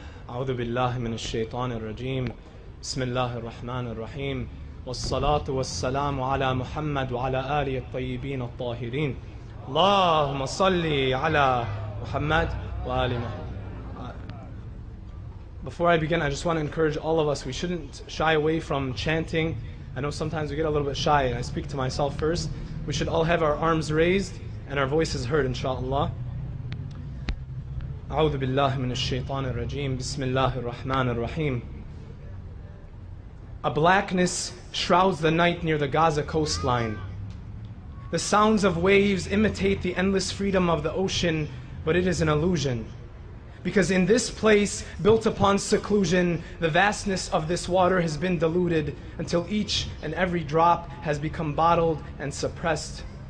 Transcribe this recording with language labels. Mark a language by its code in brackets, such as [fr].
[ar] أعوذ بالله من الشيطان الرجيم بسم الله الرحمن الرحيم والصلاة والسلام على محمد وعلى آله الطيبين الطاهرين اللهم صلي على محمد وآل محمد. [en] Before I begin, I just want to encourage all of us, we shouldn't shy away from chanting. I know sometimes we get a little bit shy, and I speak to myself first. We should all have our arms raised and our voices heard, inshallah. [ar] أعوذ بالله من الشيطان الرجيم بسم الله الرحمن الرحيم. [en] A blackness shrouds the night near the Gaza coastline. The sounds of waves imitate the endless freedom of the ocean, but it is an illusion. Because in this place, built upon seclusion, the vastness of this water has been diluted until each and every drop has become bottled and suppressed.